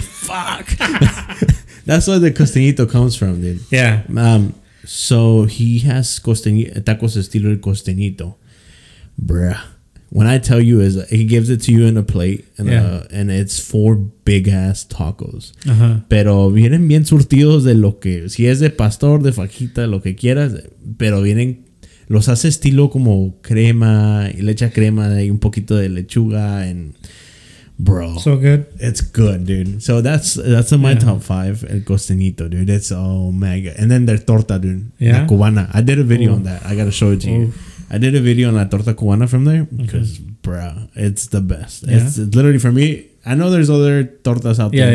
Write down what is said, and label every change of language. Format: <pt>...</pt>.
<en>fuck. That's where the Costeñito comes from, dude. Yeah. So he has tacos</en> <es>estilo</es> <en>el Costeñito. Bruh. When I tell you, is he gives it to you in a plate, and it's four big-ass tacos. Uh-huh.</en> <es>Pero vienen bien surtidos de lo que... Si es de pastor, de fajita, lo que quieras. Pero vienen... Los hace estilo como crema, y le echa crema y un poquito de lechuga.</es> <en>And bro. So good. It's good, dude. So that's in my top five, el Costeñito, dude. It's oh my God. And then their torta, dude. Yeah. La cubana. I did a video on that. I got to show it to you. I did a video on la torta cubana from there because, bro, it's the best. Yeah. It's literally for me. I know there's other tortas out there.</en>